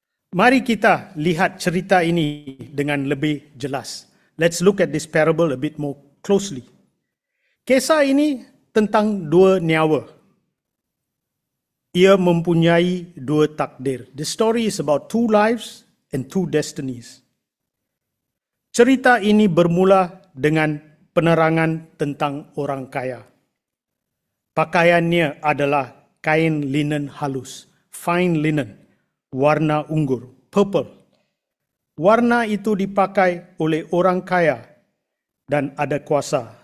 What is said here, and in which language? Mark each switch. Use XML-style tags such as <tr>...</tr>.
<ms>Mari kita lihat cerita ini dengan lebih jelas.</ms> <en>Let's look at this parable a bit more closely.</en> <ms>Kisah ini tentang dua nyawa. Ia mempunyai dua takdir.</ms> <en>The story is about two lives and two destinies.</en> <ms>Cerita ini bermula dengan penerangan tentang orang kaya. Pakaiannya adalah kain linen halus,</ms> <en>fine linen,</en> <ms>warna unggur, purple. Warna itu dipakai oleh orang kaya dan ada kuasa.</ms>